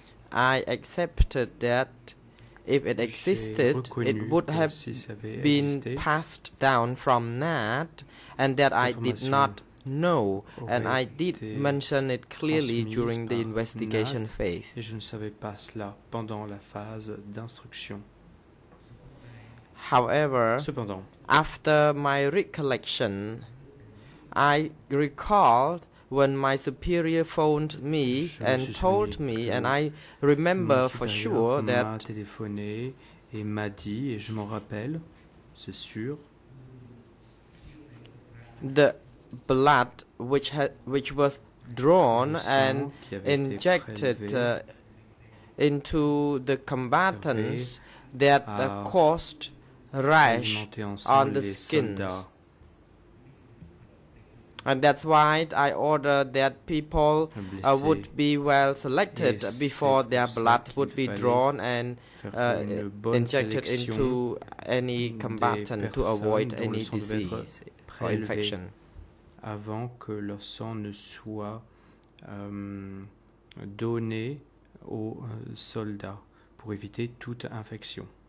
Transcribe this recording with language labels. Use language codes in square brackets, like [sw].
[en] I accepted that if it existed, it would have been passed down from Nat, and that I did not know, and I did mention it clearly during the investigation phase. [fr] Et je ne savais pas cela pendant la phase d'instruction. [en] However, [fr] cependant, [en] after my recollection, I recalled when my superior phoned me and told me, and I remember for sure that [fr] m'a téléphoné et m'a dit, et je m'en rappelle, c'est sûr, [en] the blood which was drawn and injected into the combatants that caused rash on the skin, and that's why I ordered that people would be well selected before their blood would be drawn and injected into any combatant to avoid any disease or infection. [fr] Avant que leur sang ne soit donné aux soldats pour éviter toute infection.